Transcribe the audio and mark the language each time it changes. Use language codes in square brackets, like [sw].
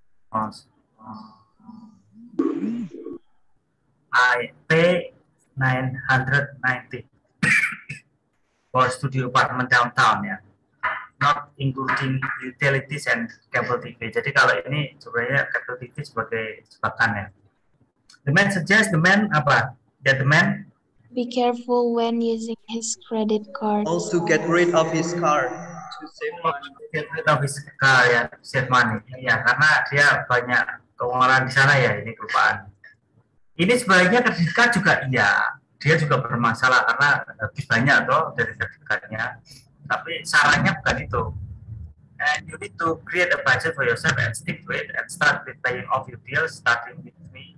[en] Awesome. I pay $990 for studio apartment downtown ya, not including utilities and cable TV. [id] Jadi kalau ini sebenarnya cable TV sebagai sepakan ya. [en] The man suggests the man apa? Get the man. Be careful when using his credit card. Also get rid of his car to save money. Get rid of his car ya, save money. [id] Iya, karena dia banyak keuangan di sana ya, ini kelupaan. Ini sebenarnya credit card juga iya, dia juga bermasalah karena lebih banyak toh dari credit card-nya. Tapi sarannya bukan itu. [en] And you need to create a budget for yourself and stick to it and start with paying off your bills starting with me.